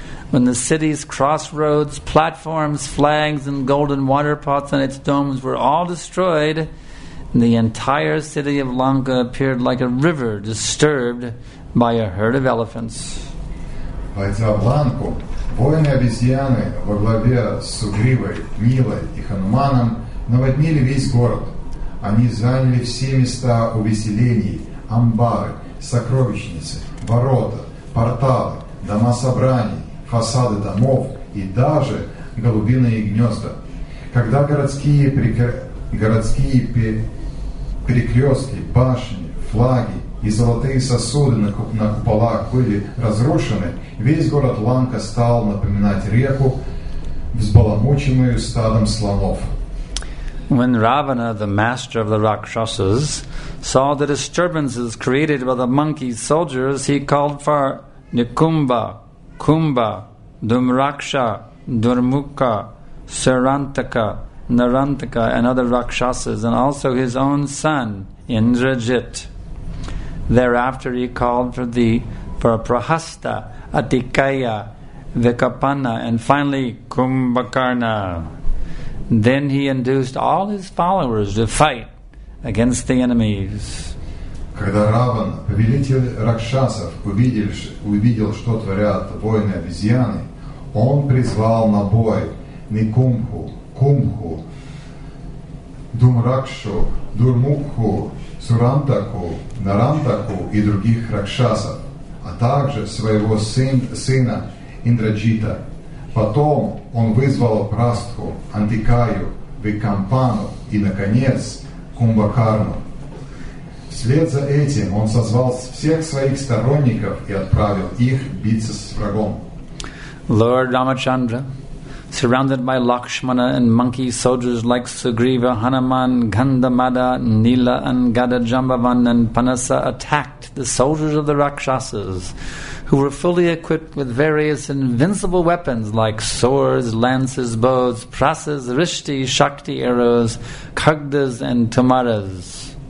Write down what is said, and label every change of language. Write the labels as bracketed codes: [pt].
[en] When the city's crossroads, platforms, flags, and golden water pots on its domes were all destroyed, the entire city of Lanka appeared like a river disturbed by a herd of elephants. Paidzāv Lanku, vojni abizjāni [ru] во главе с Угривой, Милой и Хануманом наводнили весь город. Они заняли все места увеселений, амбары, сокровищницы, ворота, порталы, дома собраний, фасады домов и даже голубиные гнезда. Когда городские перекрестки, башни, флаги и золотые сосуды на куполах были разрушены, весь город Ланка стал напоминать реку, взбаламученную стадом слонов. [en] When Ravana, the master of the Rakshasas, saw the disturbances created by the monkey soldiers, he called for Nikumba, Kumba, Dumraksha, Durmukha, Sarantaka, Narantaka, and other Rakshasas, and also his own son, Indrajit. Thereafter he called for Prahasta, Atikaya, Vikapana, and finally Kumbhakarna. Then he induced all his followers to fight against the enemies. [ru] Когда Раван, повелитель Ракшасов, увидел, что творят воины-обезьяны, он призвал на бой Никумху, Кумху, Думракшу, Дурмукху, Сурантаку, Нарантаку и других Ракшасов, а также своего сына Индраджита. Потом он вызвал Прастху, Антикаю, Викампану и, наконец, Кумбхакарну. Вслед за этим он созвал всех своих сторонников и отправил их биться с врагом. [en] Lord Ramachandra, surrounded by Lakshmana and monkey soldiers like Sugriva, Hanuman, Gandamada, Nila, and Gadajambavan and Panasa, attacked the soldiers of the Rakshasas, who were fully equipped with various invincible weapons like swords, lances, bows, prasas, rishti, shakti arrows, kagdas, and tumaras.